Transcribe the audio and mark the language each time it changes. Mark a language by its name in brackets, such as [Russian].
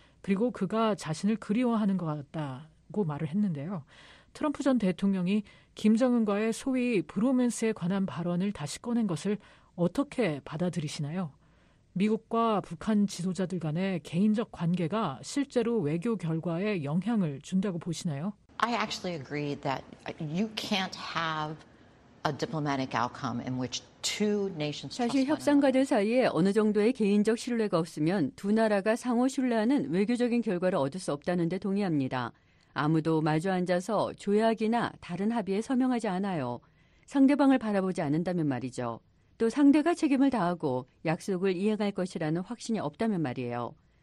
[Korean] 그리고 그가 자신을 그리워하는 것 같다고 말을 했는데요. 트럼프 전 대통령이 김정은과의 소위 브로맨스에 관한 발언을 다시 꺼낸 것을 어떻게 받아들이시나요? 미국과 북한 지도자들 간의 개인적 관계가 실제로 외교 결과에 영향을 준다고 보시나요? [English] I actually agree that you can't have a diplomatic outcome in which two nations. [Korean] 사실 협상가들 사이에 어느 정도의 개인적 신뢰가 없으면 두 나라가 상호 신뢰하는 외교적인 결과를 얻을 수 없다는 데 동의합니다. 아무도 마주 앉아서 조약이나 다른 합의에 서명하지 않아요. 상대방을 바라보지 않는다면 말이죠. 또 상대가 책임을 다하고 약속을 이행할 것이라는 확신이 없다면 말이에요.